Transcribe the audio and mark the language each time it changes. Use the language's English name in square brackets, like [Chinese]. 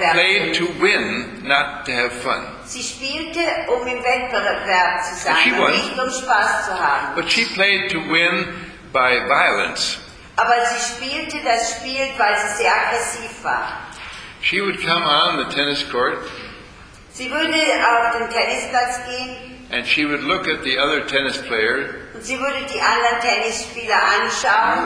[German] waren. [English] She played to win, not to have fun. [German] Sie spielte, um im Wettbewerb zu sein, [English] she won, [German] nicht um Spaß zu haben. [English] But she played to win by violence. [German] Aber sie spielte das Spiel, weil sie sehr aggressiv war. [English] She would come on the tennis court. [German] Sie würde auf den Tennisplatz gehen. [English] And she would look at the other tennis player. [German] Und sie würde die anderen Tennisspieler anschauen.